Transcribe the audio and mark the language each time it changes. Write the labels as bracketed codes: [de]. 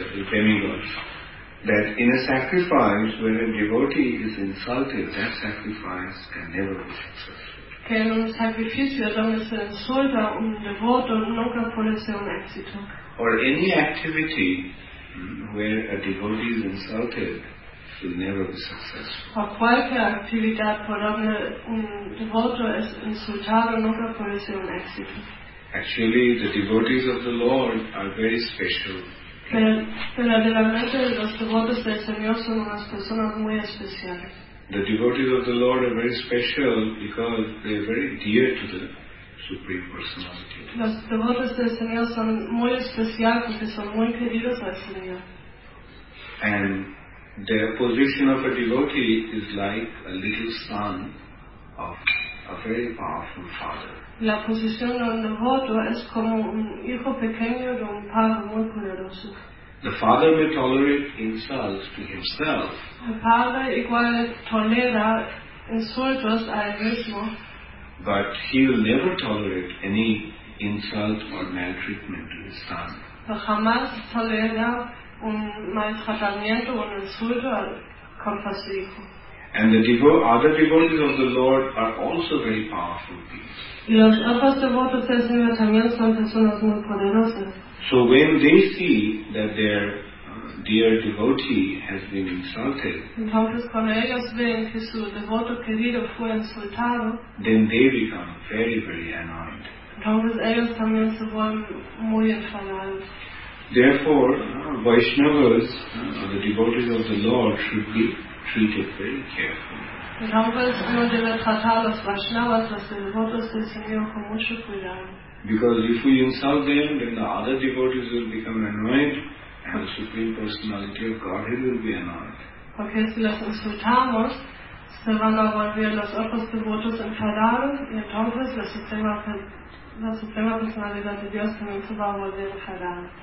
[en] That in a sacrifice, when a devotee is insulted, that sacrifice can never be successful. [es] Que en un sacrificio donde se insulta un devoto nunca puede ser un éxito. [en] Or any activity where a devotee is insulted will never be successful. [es] O cualquier actividad por donde un devoto es insultado nunca puede ser un éxito. [en] Actually, the devotees of the Lord are very special. [es] Pero realmente los devotos del Señor son unas personas muy especiales. [en] The devotees of the Lord are very special because they are very dear to the Supreme Personality. [es] Los devotos del Señor son muy especiales porque son muy queridos al Señor. [en] And the position of a devotee is like a little son of a very powerful father. [es] La posición de un devoto es como un hijo pequeño de un padre muy poderoso. [en] The father may tolerate insults to himself. [es] El padre igual tolera insultos a él mismo. [en] But he will never tolerate any insult or maltreatment to his son. [es] Pero jamás tolera un maltratamiento o un insulto contra su hijo. [en] And the other devotees of the Lord are also very powerful beings. [es] Y los otros devotos del Señor también son personas muy poderosas. [en] So when they see that their dear devotee has been insulted, [es] entonces cuando ellos ven que su devoto querido fue insultado, [en] then they become very, very annoyed. [es] Entonces ellos también se vuelven muy enfadados. [en] Therefore, Vaishnavas, the devotees of the Lord, should be treated very carefully. [es] Entonces uno debe tratar a los Vaishnavas, los devotos del Señor, con mucho cuidado. [en] Because if we insult them, then the other devotees will become annoyed, and the Supreme Personality of Godhead will be annoyed. [es] Porque si los insultamos, se van a volver los otros devotos enfadados, y entonces la Suprema Personalidad de Dios también se va a volver enfadada.